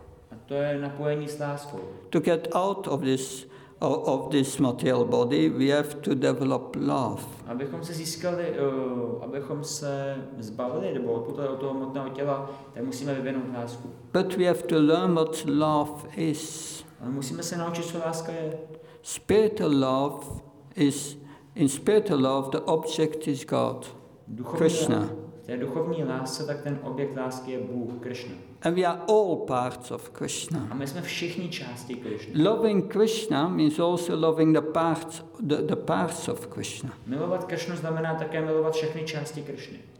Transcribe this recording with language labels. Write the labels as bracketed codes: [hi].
[en] A to je napojení s láskou. To get out of this material body, we have to develop love. [cs] Abychom se získali, abychom se zbavili, nebo odputali od toho hmotného těla, tak musíme vyvinout lásku. [en] But we have to learn what love is. [cs] Ale musíme se naučit, co láska je. [en] Spiritual love is, in spiritual love, the object is God, Krishna. V [cs] té duchovní lásce, tak ten objekt lásky je Bůh Krishna. [en] And we are all parts of Krishna. [cs] A my jsme všichni části Krishna. [en] Loving Krishna means also loving the parts of Krishna. [cs] Milovat Krishnu znamená také milovat všechny části Krishny.